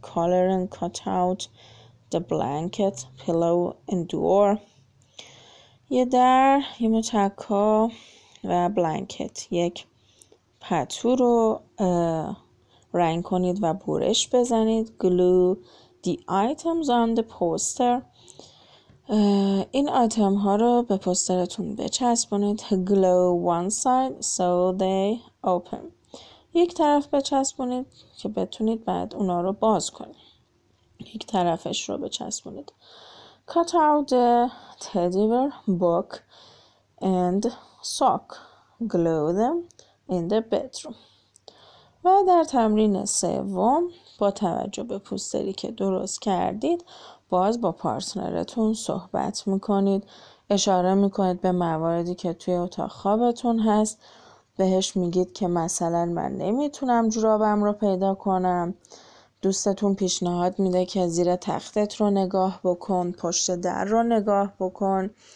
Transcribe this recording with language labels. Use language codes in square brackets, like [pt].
[en] Color and cut out the blanket, pillow and door. [fa] یه در، یه متکا و بلانکت. یک پتو رو رنگ کنید و برش بزنید. [en] Glue the items on the poster. [fa] این آیتم ها رو به پوسترتون بچسبونید. [en] Glue one side so they open. [fa] یک طرف بچسبونید که بتونید بعد اونا رو باز کنید. یک طرفش رو بچسبونید. [en] Cut out the teddy bear, book and sock. Glue them in the bedroom. [fa] و در تمرین سوم با توجه به پوستری که درست کردید باز با پارتنرتون صحبت میکنید، اشاره میکنید به مواردی که توی اتاق خوابتون هست، بهش میگید که مثلا من نمیتونم جورابم رو پیدا کنم، دوستتون پیشنهاد میده که زیر تختت رو نگاه بکن، پشت در رو نگاه بکن.